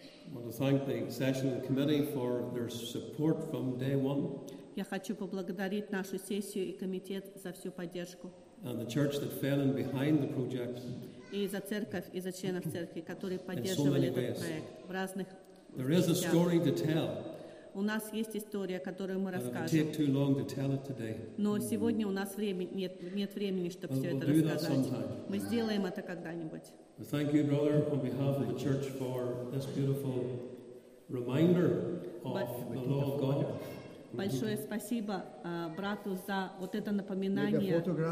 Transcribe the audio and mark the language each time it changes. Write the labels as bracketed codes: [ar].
[en] I want to thank the sessional committee for their support from day one. [ru] Я хочу поблагодарить нашу сессию и комитет за всю поддержку. [en] And the church that fell in behind the project. [ru] И за церковь, и за членов церкви, которые поддерживали этот проект в разных. [en] There is a story to tell. [ru] У нас есть история, которую мы расскажем. [en] Take too long to tell it today. [ru] Но сегодня у нас нет времени, чтобы все это рассказать. Мы сделаем это когда-нибудь. [en] Thank you, brother, on behalf of the church for this beautiful reminder of the law of God. [ru] Большое спасибо брату за вот это напоминание.